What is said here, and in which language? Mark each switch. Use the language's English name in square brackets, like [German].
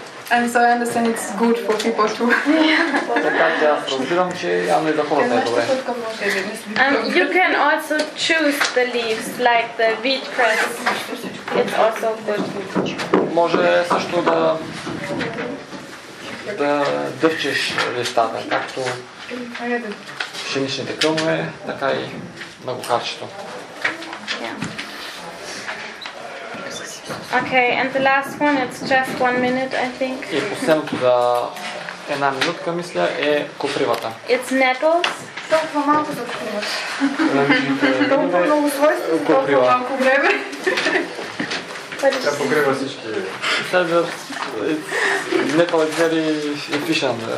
[English] And so I understand it's good for people too. [Bulgarian] Така че аз разбирам, че явно и за хората е добре. [English] You can also choose the leaves, like the wheat cress. It's also good. [Bulgarian] Може също да дъвчеш листата, както пшеничните кълнове, така и на глухарчето. [English] Okay, and the last one, it's just 1 minute, I think. [Bulgarian] И последното за една минутка, мисля, е копривата. [English] It's nettles. [Bulgarian] Толкова малко да откриваш. Толкова много свойства, толкова малко време. Тя покрива всички. Следва, [English] nettle is very efficient.